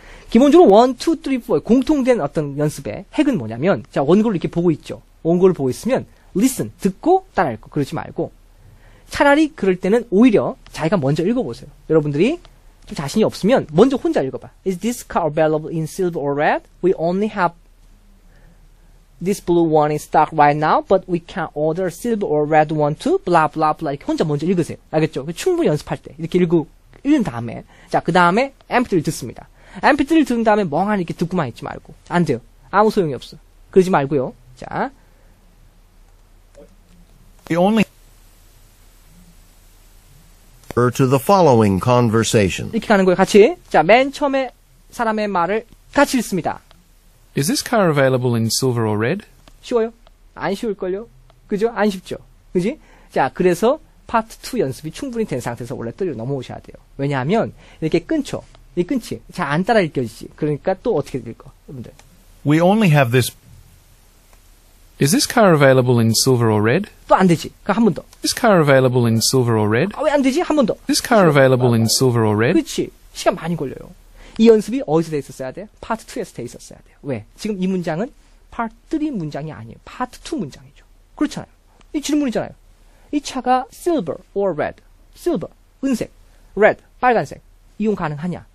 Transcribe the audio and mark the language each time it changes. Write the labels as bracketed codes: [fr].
[ko] 기본적으로 1, 2, 3, 4 공통된 어떤 연습의 핵은 뭐냐면, 자, 원고를 이렇게 보고 있죠. 원고를 보고 있으면 listen, 듣고 따라 읽고 그러지 말고, 차라리 그럴 때는 오히려 자기가 먼저 읽어보세요. 여러분들이 좀 자신이 없으면 먼저 혼자 읽어봐. [en] Is this car available in silver or red? We only have this blue one in stock right now, but we can order silver or red one too. Blah, blah, blah. [ko] 이렇게 혼자 먼저 읽으세요. 알겠죠? 충분히 연습할 때 이렇게 읽고 읽은 다음에, 자, 그 다음에 MP3를 듣습니다. MP3를 듣는 다음에 멍하니 이렇게 듣고만 있지 말고. 안 돼요. 아무 소용이 없어. 그러지 말고요. 자. [en] The only... to the following conversation. [ko] 이렇게 가는 거예요. 같이. 자, 맨 처음에 사람의 말을 같이 읽습니다. [en] Is this car available in silver or red? [ko] 쉬워요. 안 쉬울걸요. 그죠? 안 쉽죠. 그지? 자, 그래서 파트 2 연습이 충분히 된 상태에서 원래 뜰로 넘어오셔야 돼요. 왜냐하면 이렇게 끊죠. 이 끊지. 잘 안 따라 읽혀지지. 그러니까 또 어떻게 읽어, 여러분들. [en] We only have this. Is this car available in silver or red? [ko] 또 안 되지. 그럼 한 번 더. [en] Is this car available in silver or red? [ko] 아, 왜 안 되지? 한 번 더. [en] Is this car available in silver or red? [ko] 그렇지. 시간 많이 걸려요. 이 연습이 어디서 돼 있었어야 돼? 파트 2에서 돼 있었어야 돼. 왜? 지금 이 문장은 파트 3 문장이 아니에요. 파트 2 문장이죠. 그렇잖아요. 이 질문이잖아요. 이 차가 silver or red? silver, 은색. red, 빨간색. 이용 가능하냐?